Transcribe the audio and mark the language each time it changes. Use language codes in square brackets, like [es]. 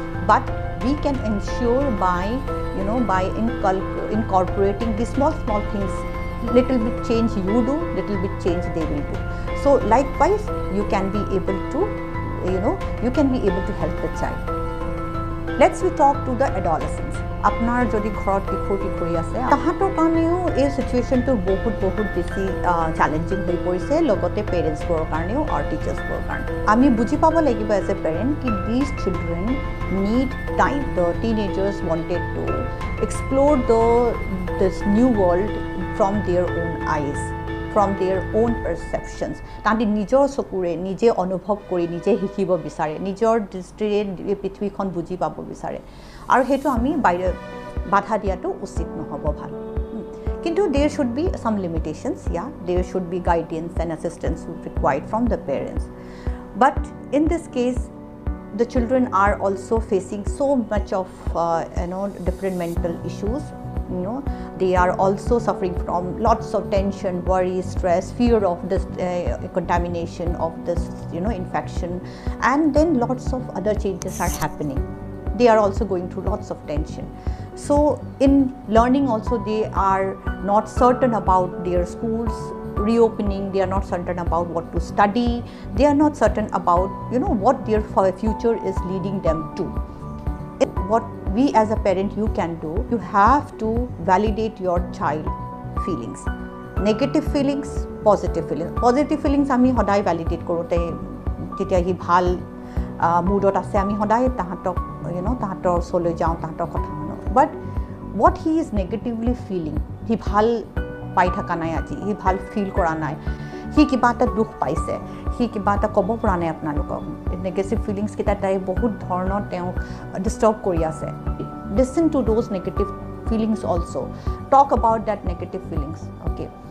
[en] But we can ensure by, you know, by incorporating the small things, little bit change you do, little bit change they will do. So likewise, you can be able to, you know, you can be able to help the child. Let's we talk to the adolescents. [as] আপোনাৰ যদি ঘৰত শিশু শিশুৰী আছে, তাহাঁতৰ কাৰণেও এই চিটুৱেশ্যনটো বহুত বেছি চেলেঞ্জিং হৈ পৰিছে, লগতে পেৰেণ্টছবোৰৰ কাৰণেও আৰু টিচাৰ্ছবোৰৰ কাৰণে। আমি বুজি পাব লাগিব [en] As a parent কি these children need time, the teenagers wanted to explore this new world from their own eyes, from their own perceptions. [as] তাহাঁতি নিজৰ চকুৰে নিজে অনুভৱ কৰি নিজে শিকিব বিচাৰে, নিজৰ দৃষ্টিৰে পৃথিৱীখন বুজি পাব বিচাৰে, আৰু সেইটো আমি বাইৰে বাধা দিয়াটো উচিত নহ'ব ভাল। [en] কিন্তু there should be some limitations, ইয়াৰ there should be guidance and assistance required from the parents. But in this case the children are also facing so' much of you know' different mental issues, you know' they are also suffering from lots of tension, worry, stress, fear of this contamination of this you know' infection, and then lots of other changes are happening. They are also going through lots of tension. So in learning also they are not certain about their schools reopening, they are not certain about what to study, they are not certain about, you know, what their future is leading them to. What we as a parent, you can do, you have to validate your child feelings, negative feelings, positive feelings. Positive feelings [as] ami hodai validate korote tetia hi bhal মুডত আছে, আমি সদায় তাহাঁতক, you know তাহাঁতৰ ওচৰলৈ যাওঁ, তাহাঁতৰ কথা শুনো। [en] but what he is negatively feeling, [as] সি ভাল পাই থকা নাই আজি, সি ভাল ফিল কৰা নাই, সি কিবা এটা দুখ পাইছে, সি কিবা এটা ক'ব পৰা নাই আপোনালোকক, নেগেটিভ ফিলিংছকেইটা তাই বহুত ধৰণৰ তেওঁক ডিষ্টাৰ্ব কৰি আছে, [en] Listen to those negative feelings also, talk about that negative feelings, okay.